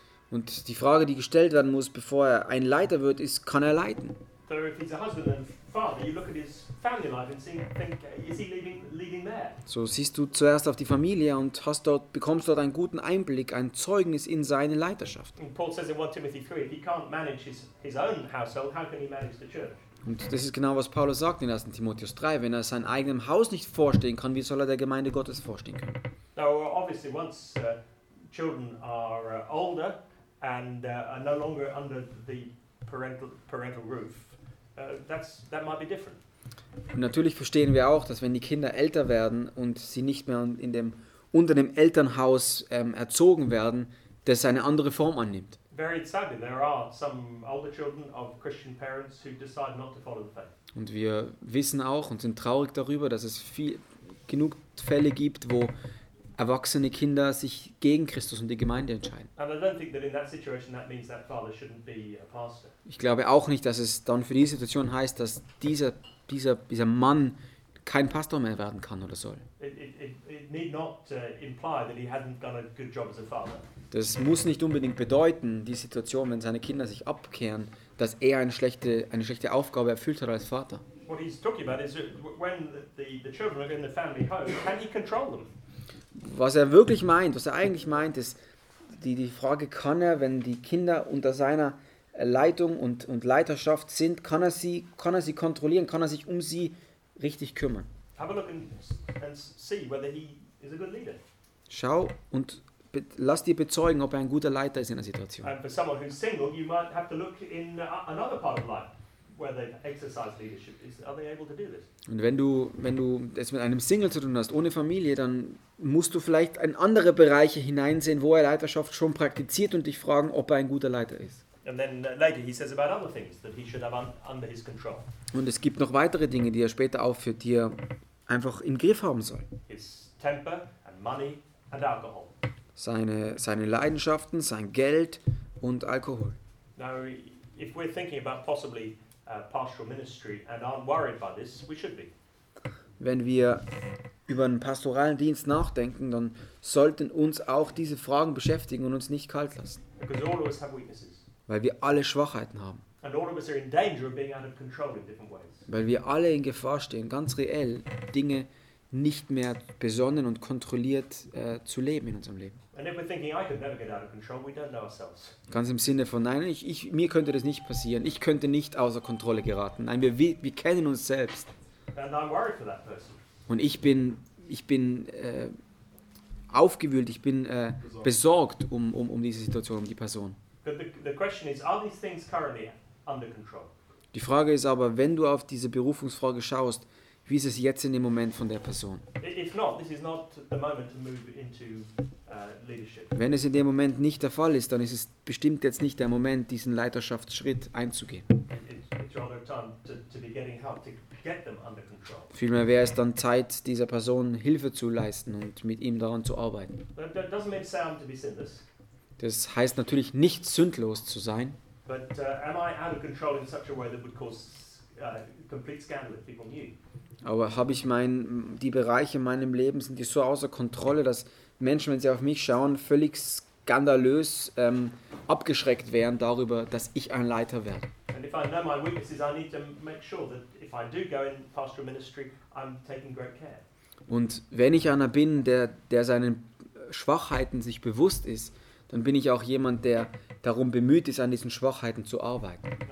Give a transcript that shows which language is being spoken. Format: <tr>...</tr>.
<de>Und die Frage, die gestellt werden muss, bevor er ein Leiter wird, ist, kann er leiten?</de> <en>So if he's a husband and father, you look at his family life and think, is he leading there?</en> <de>So siehst du zuerst auf die Familie und bekommst dort einen guten Einblick, ein Zeugnis in seine Leiterschaft.</de> <en>And Paul says in 1 Timothy 3, if he can't manage his own household, how can he manage the church?</en> <de>Und das ist genau, was Paulus sagt in 1. Timotheus 3. Wenn er sein eigenes Haus nicht vorstehen kann, wie soll er der Gemeinde Gottes vorstehen können?</de> <en>Now obviously once children are older and are no longer under the parental roof, that might be different.</en> <de>Und natürlich verstehen wir auch, dass wenn die Kinder älter werden und sie nicht mehr unter dem Elternhaus erzogen werden, das eine andere Form annimmt.</de> <en>Very sadly, there are some older children of Christian parents who decide not to follow the faith.</en> <de>Und wir wissen auch und sind traurig darüber, dass es genug Fälle gibt, wo erwachsene Kinder sich gegen Christus und die Gemeinde entscheiden.</de> <en>And I don't think that in that situation that means that father shouldn't be a pastor.</en> <de>Ich glaube auch nicht, dass es dann für die Situation heißt, dass dieser Mann kein Pastor mehr werden kann oder soll.</de> <en>It need not imply that he hadn't done a good job as a father.</en> <de>Das muss nicht unbedingt bedeuten, die Situation, wenn seine Kinder sich abkehren, dass er eine schlechte Aufgabe erfüllt hat als Vater.</de> <en>What he's talking about is when the children are in the family home, can he control them?</en> <de>Was er wirklich meint, was er eigentlich meint, ist die Frage, kann er, wenn die Kinder unter seiner Leitung und Leiterschaft sind, kann er sie kontrollieren, kann er sich um sie richtig kümmern?</de> <en>Have a look and see whether he is a good leader.</en> <de>Schau und lass dir bezeugen, ob er ein guter Leiter ist in der Situation.</de> <en>And for someone who's single, you might have to look in another part of life where they exercise leadership. Are they able to do this?</en> <de>Und wenn du es mit einem Single zu tun hast, ohne Familie, dann musst du vielleicht in andere Bereiche hineinsehen, wo er Leiterschaft schon praktiziert und dich fragen, ob er ein guter Leiter ist.</de> <en>And then later he says about other things that he should have under his control.</en> <de>Und es gibt noch weitere Dinge, die er später aufführt, die er einfach im Griff haben soll.</de> <en>His temper and money and alcohol.</en> <de>Seine Leidenschaften, sein Geld und Alkohol.</de> <en>Now, if we're thinking about possibly pastoral ministry and aren't worried by this, we should be.</en> <de>Wenn wir über einen pastoralen Dienst nachdenken, dann sollten uns auch diese Fragen beschäftigen und uns nicht kalt lassen.</de> <en>Because all of us have weaknesses.</en> <de>Weil wir alle Schwachheiten haben.</de> <en>And all of us are in danger of being out of control in different ways.</en> <de>Weil wir alle in Gefahr stehen, ganz reell Dinge nicht mehr besonnen und kontrolliert zu leben in unserem Leben.</de> <en>And if we're thinking, I could never get out of control, we don't know ourselves.</en> <de>Ganz im Sinne von, nein, ich mir könnte das nicht passieren, ich könnte nicht außer Kontrolle geraten. Nein, wir kennen uns selbst.</de> <en>And I'm worried for that person.</en> <de>Und ich bin aufgewühlt, ich bin besorgt um diese Situation, um die Person.</de> <en>But the question is, are these things currently under control?</en> <de>Die Frage ist aber, wenn du auf diese Berufungsfrage schaust, wie ist es jetzt in dem Moment von der Person?</de> <en>If not, this is not the moment to move into leadership.</en> <de>Wenn es in dem Moment nicht der Fall ist, dann ist es bestimmt jetzt nicht der Moment, diesen Leiterschaftsschritt einzugehen.</de> <en>It's rather time to be getting help to get them under control.</en> <de>Vielmehr wäre es dann Zeit, dieser Person Hilfe zu leisten und mit ihm daran zu arbeiten.</de> <en>That doesn't make sound to be sinless.</en> <de>Das heißt natürlich nicht sündlos zu sein.</de> <en>But am I out of control in such a way that would cause complete scandal if people knew?</en> <de>Aber habe ich die Bereiche in meinem Leben, sind die so außer Kontrolle, dass Menschen, wenn sie auf mich schauen, völlig skandalös abgeschreckt wären darüber, dass ich ein Leiter werde.</de> <en>And if I know my weaknesses, I need to make sure that if I do go in pastoral ministry, I'm taking great care.</en> <de>Und wenn ich einer bin, der seinen Schwachheiten sich bewusst ist, dann bin ich auch jemand, der darum bemüht ist, an diesen Schwachheiten zu arbeiten.</de>